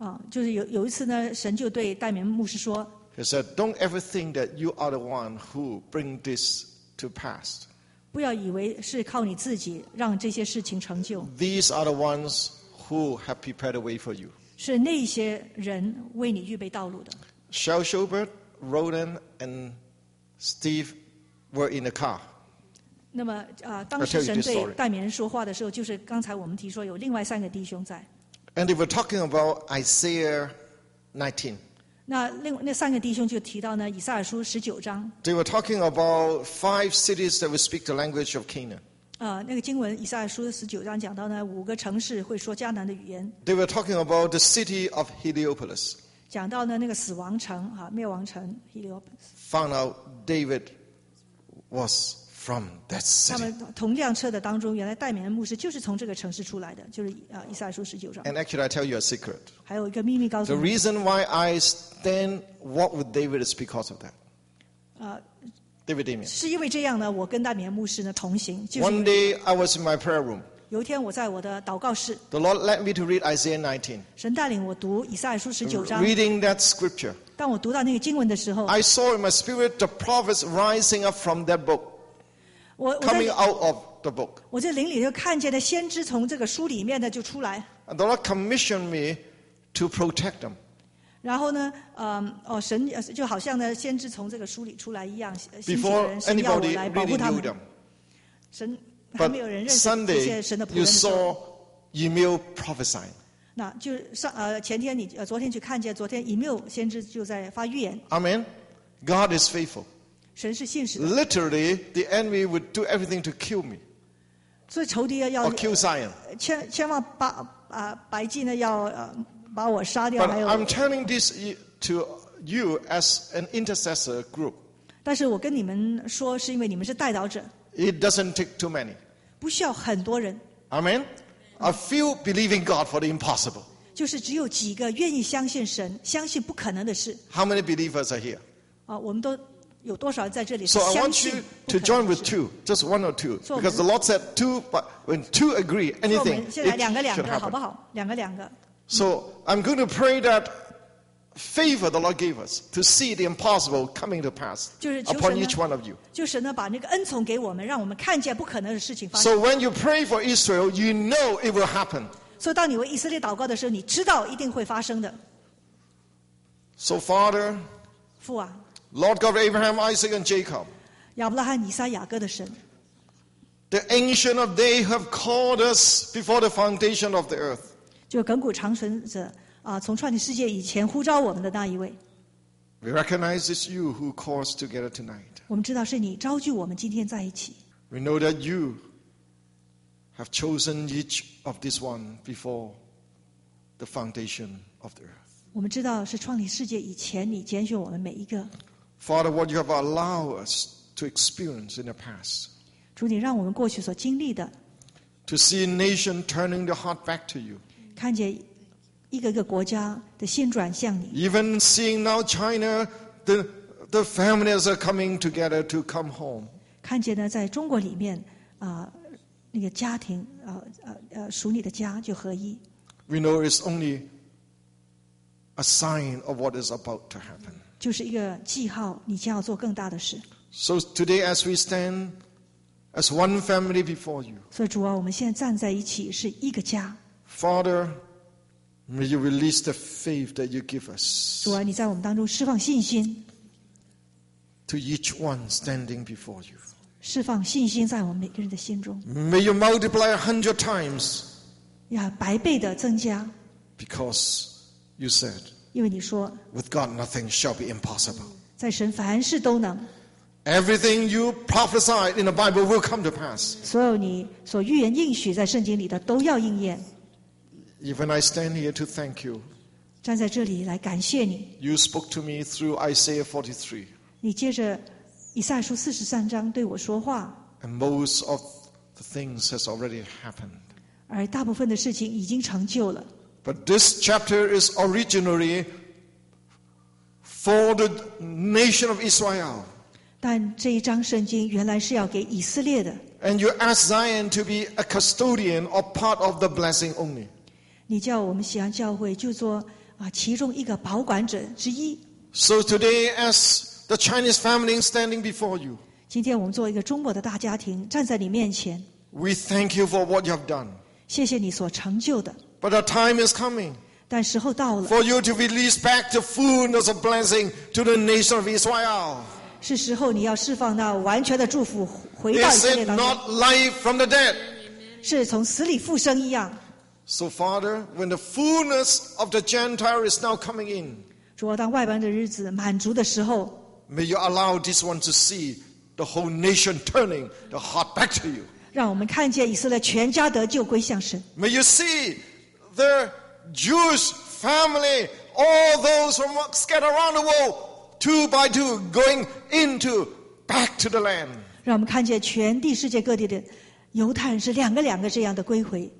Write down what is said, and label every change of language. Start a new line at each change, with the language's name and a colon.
Chinese: 就是 有一次呢，神就对戴明牧师说
English: ，He said, "Don't ever think that you are the one who bring this to pass."
Chinese: 不要以为是靠你自己让这些事情成就。
English: These are the ones who have prepared a way for you.
Chinese: 是那些人为你预备道路的。
English: Shel Shobert, Roland, and Steve were in the car.
Chinese: 那么当时神对戴明说话的时候，就是刚才我们提说有另外三个弟兄在。
English: And they were talking about Isaiah 19.
Chinese: 那三个弟兄就提到呢，以赛亚书十九章。
English: They were talking about five cities that would speak the language of Canaan.
Chinese: 那个经文以赛亚书十九章讲到呢，五个城市会说迦南的语言。
English: They were talking about the city of Heliopolis.
Chinese: 讲到呢那个死亡城啊，灭亡城 Heliopolis.
English: Found out David was. From that city.
Chinese: 他们同辆车的当中，原来戴冕牧师就是从这个城市出来的，就是以赛亚书十九章。
English: And actually, I tell you a secret.
Chinese: 还有一个秘密告诉你。
English: The reason why I stand walk with David is because of that. David Damien.
Chinese: 是因为这样呢，我跟戴冕牧师呢同行。
English: One day I was in my prayer room.
Chinese: 有一天我在我的祷告室。
English: The Lord led me to read Isaiah 19.
Chinese: 神带领我读以赛亚书十九章。
English: Reading that scripture.
Chinese: 当我读到那个经文的时候
English: ，I saw in my spirit the prophets rising up from that book. Coming out of the book.
Chinese: 我在灵里就看见了先知从这个书里面的就出来。
English: The Lord commissioned me to protect them.
Chinese: 然后呢，神就好像呢，先知从这个书里出来一样，兴起人
English: ，Before anybody really knew them.
Chinese: 神还没有人认识这些神的仆人。
English: You saw Emil prophesying.
Chinese: 那就上前天你昨天去看见，昨天 Emil 先知就在发预言。
English: Amen. God is faithful.
Chinese: 神是信实的。
English: Literally, the enemy would do everything to kill me.
Chinese: 所以仇敌要
English: or kill Zion.
Chinese: 千万把白祭呢要把我杀掉。
English: But I'm telling this to you as an intercessor group.
Chinese: 但是我跟你们说，是因为你们是代祷者。
English: It doesn't take too many.
Chinese: 不需要很多人。
English: Amen. A few believing God for the impossible.
Chinese: 就是只有几个愿意相信神，相信不可能的事。
English: How many believers are here?
Chinese: 我们都。有多少在这里
English: So I want you to join with two, just one or two, because the Lord said two, but when two agree, anything should happen.
Chinese: 两个两个
English: So I'm going to pray that favor the Lord gave us to see the impossible coming to pass upon each one of you.
Chinese: 就是呢把那个恩宠给我们，让我们看见不可能的事情发生。
English: So when you pray for Israel, you know it will happen.
Chinese: 所以当你为以色列祷告的时候，你知道一定会发生的。
English: So Father,
Chinese: 父啊。
English: Lord God of Abraham, Isaac, and Jacob.
Chinese: 亚伯拉罕、以撒、雅各的神。
English: The ancient of day have called us before the foundation of the earth.
Chinese: 就亘古长存者从创立世界以前呼召我们的那一位。
English: We recognize it's you who calls together tonight.
Chinese: 我们知道是你召聚我们今天在一起。
English: We know that you have chosen each of this one before the foundation of the earth.
Chinese: 我们知道是创立世界以前你拣选我们每一个。
English: Father, what you have allowed us to experience in the past.
Chinese: 主，你让我们过去所经历的。
English: To see a nation turning their heart back to you.
Chinese: 看见一个一个国家的心转向你。
English: Even seeing now China, the families are coming together to come home.
Chinese: 看见呢，在中国里面那个家庭属你的家就合一。
English: We know it's only a sign of what is about to happen.
Chinese: 就是一个记号，你将要做更大的事。
English: So today, as we stand as one family before you,
Chinese: 所以主啊，我们现在站在一起是一个家。
English: Father, may you release the faith that you give us.
Chinese: 主啊，你在我们当中释放信心。
English: To each one standing before you,
Chinese: 释放信心在我们每个人的心中。
English: May you multiply 100 times.
Chinese: 呀，百倍的增加。
English: Because you said.
Chinese: 因为你说
English: With God, nothing shall be impossible.
Chinese: 在神凡事都能。
English: Everything you prophesied in the Bible will come to pass.
Chinese: 所有你所预言应许在圣经里的都要应验。
English: Even I stand here to thank you.
Chinese: 站在这里来感谢你。
English: You spoke to me through Isaiah 43.
Chinese: 你借着以赛书四十三章对我说话。
English: And most of the things has already happened.
Chinese: 而大部分的事情已经成就了。
English: But this chapter is originally for the nation of Israel.
Chinese: 但这一章圣经原来是要给以色列的。
English: And you ask Zion to be a custodian or part of the blessing only.
Chinese: 你叫我们锡安教会就做其中一个保管者之一。
English: So today, as the Chinese family standing before you,
Chinese: 今天我们做一个中国的大家庭站在你面前。
English: We thank you for what you have done.
Chinese: 谢谢你所成就的。
English: But the time is coming.
Chinese: 但时候到了。
English: For you to release back the fullness of blessing to the nation of Israel.
Chinese: 是时候你要释放那完全的祝福回到以色列当中。
English: Is it not life from the dead?
Chinese: 是从死里复生一样。
English: So Father, when the fullness of the Gentile is now coming in,
Chinese: 主啊，当外邦的日子满足的时候，
English: May you allow this one to see the whole nation turning the heart back to you.
Chinese: 让我们看见以色列全家得救归向神。
English: May you see the Jewish family, all those from scattered around the world, two by two, going into back to the land.
Chinese: 让我们看见全地世界各地的犹太人是两个两个这样的归回。